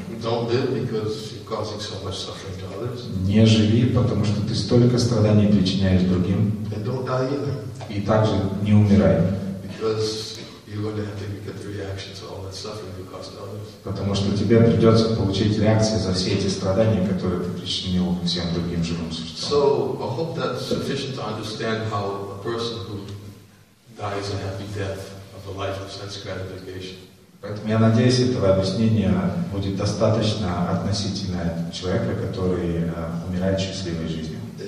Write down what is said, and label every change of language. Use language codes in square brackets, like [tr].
[en] Don't live because you're causing so much suffering to others. [ru] Не живи, потому что ты столько страданий причиняешь другим. [en] And don't die either. [ru] И также не умирай. [en] Because you're going to have to get the reaction to all that suffering you caused others. [ru] Потому что тебе придется получить реакции за все эти страдания, которые ты причинил всем другим живым существам. [en] So I hope that's sufficient to understand how a person who dies a happy death of a life of sense gratification. [ru] Поэтому я надеюсь, этого объяснения будет достаточно относительно человека, который умирает счастливой жизнью.